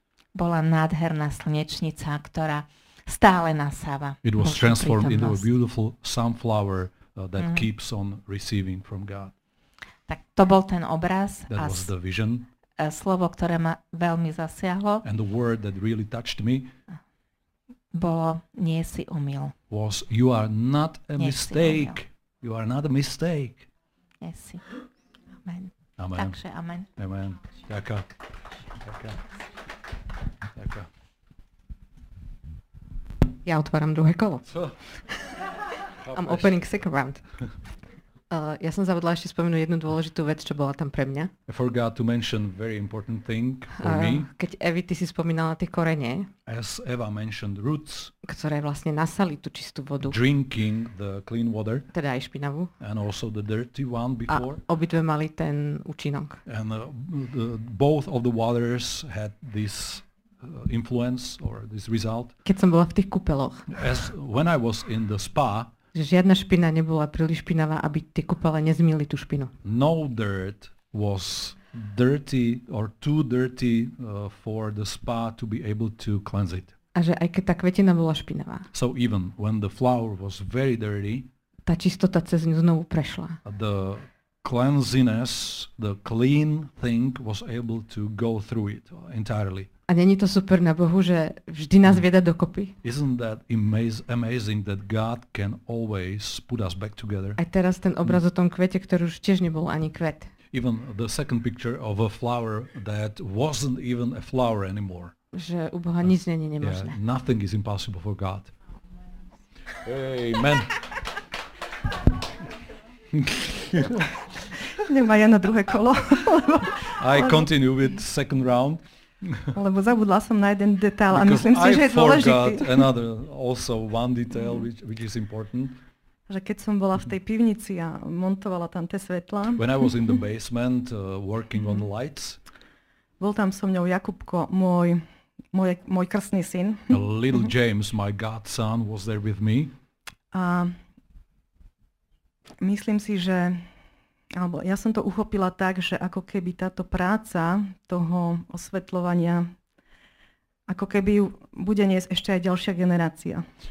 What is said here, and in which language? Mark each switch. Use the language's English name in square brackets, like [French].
[Slovak] Bola nádherná slnečnica, ktorá stále nasáva. [English] It was transformed into a beautiful sunflower that keeps on receiving from God. [Slovak] Tak to bol ten obraz. [English] That was the vision. [Slovak] Slovo, ktoré ma veľmi zasiahlo. [English] And the word that really touched me. [Slovak] Bolo, nie si omyl. [English] Was, you are not a mistake. You are not a mistake. Yes. Amen. Amen. [Slovak] Takže amen. Amen. Ďaká. Ja otváram druhé kolo. Co? [English] I'm opening second round. [Slovak] Ja som zabudla ešte spomenúť jednu dôležitú vec, čo bola tam pre mňa. [English] I forgot to mention very important thing for me. [Slovak] Keď Evi, ty si spomínala tie korene. [English] As Eva mentioned roots. [Slovak] Ktoré vlastne nasali tú čistú vodu. [English] Drinking the clean water. [Slovak] Teda aj špinavú. [English] And also the dirty one before. [Slovak] A obidve mali ten účinok. [English] And both of the waters had this influence or this result. [Slovak] Keď som bola v tých kúpeloch. [English] As when I was in the spa. [Slovak] Že žiadna špina nebola príliš špinavá, aby tie kúpele nezmýli tú špinu. [English] No dirt was dirty or too dirty for the spa to be able to cleanse it. [Slovak] A že aj keď tá kvetina bola špinavá. [English] So even when the flower was very dirty. [Slovak] Tá čistota cez ňu znovu prešla. [English] The cleansiness, the clean thing was able to go through it entirely. [Slovak] A není to super na Bohu, že vždy nás vieda dokopy? [English] Isn't that amazing that God can always put us back together? [Slovak] Aj teraz ten obraz o tom kvete, ktorý už tiež nebol ani kvet. [English] Even the second picture of a flower that wasn't even a flower anymore. [Slovak] Že u Boha nič není nemožné. [English] Yeah, nothing is impossible for God. Amen. [Slovak] Nemá ja na druhé kolo. [English] I continue with second round. [Slovak] Lebo zabudla som na jeden detail a myslím si, že je dôležitý. [English] Another also one detail which is important. [Slovak] Že keď som bola v tej pivnici a montovala tam tie svetlá. [English] When I was in the basement working on the lights. [Slovak] Bol tam so mnou Jakubko, môj krstný syn. [English] A little James, my godson, was there with me. [Slovak] A myslím si, že alebo ja som to uchopila tak, že ako keby táto práca toho osvetľovania, ako keby ju bude niesť ešte aj ďalšia generácia.